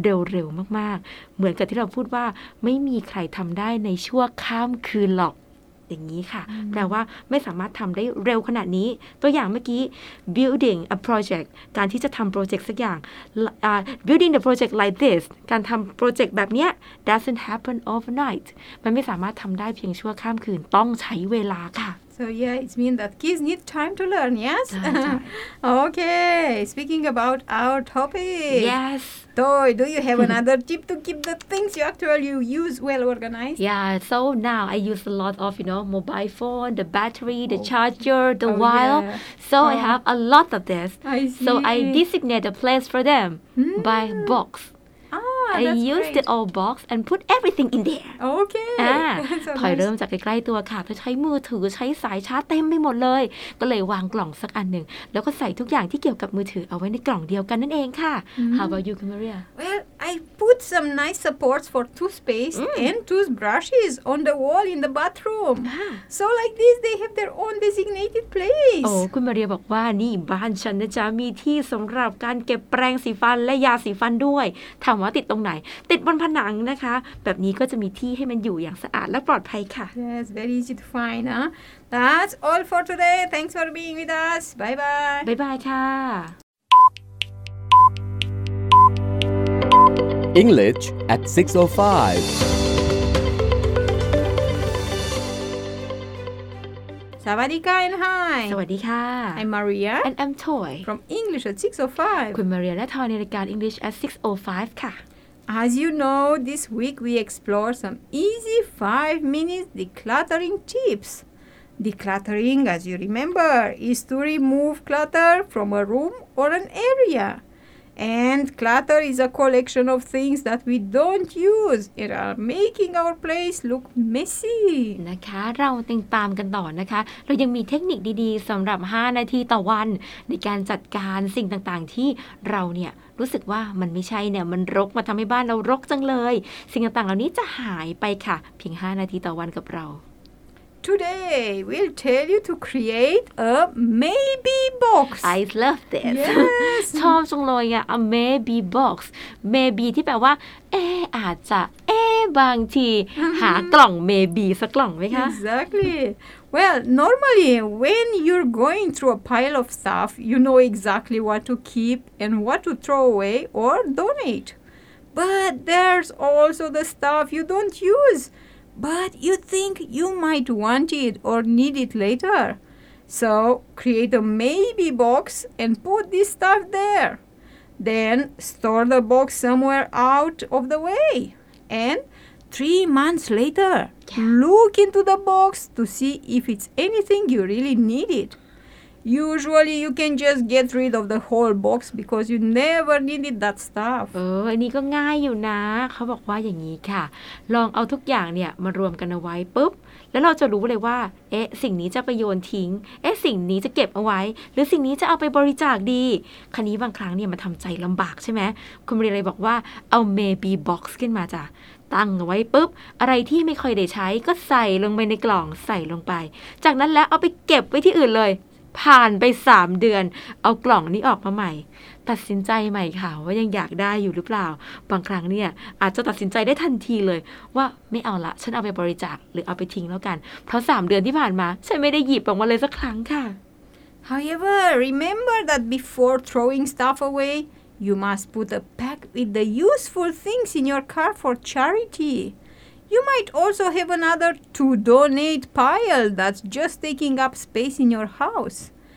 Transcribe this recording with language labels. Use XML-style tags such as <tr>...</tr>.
<th>เร็วๆมากๆเหมือนกับที่เราพูดว่าไม่มีใครทำได้ในชั่วข้ามคืนหรอกอย่างนี้ค่ะแปลว่าไม่สามารถทำได้เร็วขนาดนี้ตัวอย่างเมื่อกี้</th> <en>building a project</en> <th>การที่จะทำโปรเจกต์สักอย่าง</th> <en>building the project like this</en> <th>การทำโปรเจกต์แบบเนี้ย</th> <en>doesn't happen overnight</en> <th>มันไม่สามารถทำได้เพียงชั่วข้ามคืนต้องใช้เวลาค่ะ</th> <en>so yeah it means that kids need time to learn yes okay speaking about our topic yes Do you have another tip to keep the things you actually use well organized? Yeah, so now I use a lot of, you know, mobile phone, the battery, the charger, the wire. Yeah. So I have a lot of this. I see. So I designate a place for them by box. Ah, I use the old box and put everything in there. Okay.</en> <th>ถอยเริ่มจากใกล้ๆตัวค่ะใช้มือถือใช้สายชาร์จเต็มไปหมดเลยก็เลยวางกล่องสักอันหนึ่งแล้วก็ใส่ทุกอย่างที่เกี่ยวกับมือถือเอาไว้ในกล่องเดียวกันนั่นเองค่ะ</th> <en>How about you, Camaria? Well, I put some nice supports for toothpaste and toothbrushes on the wall in the bathroom. So like this, they have their own designated place.</en> <th>โอ้คุณมาเรียบอกว่านี่บ้านฉันนะจ๊ะมีที่สำหรับการเก็บแปรงสีฟันและยาสีฟันด้วยถามว่าติดตรงไหนติดบนผนังนะคะแบบนี้ก็จะมีที่ให้มันอยู่อย่างสะอาดและปลอดภัยค่ะ</th> <en>Yes, very easy to find, huh? That's all for today. Thanks for being with us. Bye-bye. Bye-bye, ค่ะ English at 6:05.</en> <th>สวัสดีค่ะ</th> <en>and hi.</en> <th>สวัสดีค่ะ</th> <en>I'm Maria. And I'm Toy. From English at 6:05.</en> <th>คุณ Maria และ Toy ในรายการ English at 6:05 ค่ะ</th> <en>As you know, this week we explore some easy 5-minute decluttering tips. Decluttering, as you remember, is to remove clutter from a room or an area. And clutter is a collection of things that we don't use and are making our place look messy.</en> <th>นะคะเราติดตามกันต่อนะคะเรายังมีเทคนิคดีๆสำหรับ5นาทีต่อวันในการจัดการสิ่งต่างๆที่เราเนี่ยรู้สึกว่ามันไม่ใช่เนี่ยมันรกมาทำให้บ้านเรารกจังเลยสิ่งต่างๆเหล่านี้จะหายไปค่ะเพียง5นาทีต่อวันกับเรา</th> <en>Today we'll tell you to create a maybe box I love this yes.</en> <th>ชอบจังเลยอะ a maybe box maybe ที่แปลว่าเอ๊อาจจะเอ๊บางที หากล่อง maybe สักกล่องไหมคะ</th> <en>Exactly Well normally when you're going through a pile of stuff you know exactly what to keep and what to throw away or donate but there's also the stuff you don't use but you think you might want it or need it later so create a maybe box and put this stuff there then store the box somewhere out of the way and 3 months later look into the box to see if it's anything you really needed. Usually you can just get rid of the whole box because you never needed that stuff.</en> <th>เอออันนี้ก็ง่ายอยู่นะเขาบอกว่าอย่างนี้ค่ะลองเอาทุกอย่างเนี่ยมารวมกันเอาไว้ปุ๊บแล้วเราจะรู้เลยว่าเอ๊ะสิ่งนี้จะไปโยนทิ้งเอ๊ะสิ่งนี้จะเก็บเอาไว้หรือสิ่งนี้จะเอาไปบริจาคดีคราวนี้บางครั้งเนี่ยมันทำใจลำบากใช่ไหมคุณเรียนเลยบอกว่าเอา maybe box ขึ้นมาจ้ะตั้งไว้ปุ๊บอะไรที่ไม่ค่อยได้ใช้ก็ใส่ลงไปในกล่องใส่ลงไปจากนั้นแล้วเอาไปเก็บไว้ที่อื่นเลยผ่านไป3เดือนเอากล่องนี้ออกมาใหม่ ตัดสินใจใหม่ค่ะว่ายังอยากได้อยู่หรือเปล่าบางครั้งเนี่ยอาจจะตัดสินใจได้ทันทีเลยว่าไม่เอาละฉันเอาไปบริจาคหรือเอาไปทิ้งแล้วกันเพราะ3เดือนที่ผ่านมาฉันไม่ได้หยิบออกมาเลยสักครั้งค่ะ</th> <en>However, remember that before throwing stuff away, you must put a pack with the useful things in your car for charity. You might also have another to donate pile that's just taking up space in your house.</en>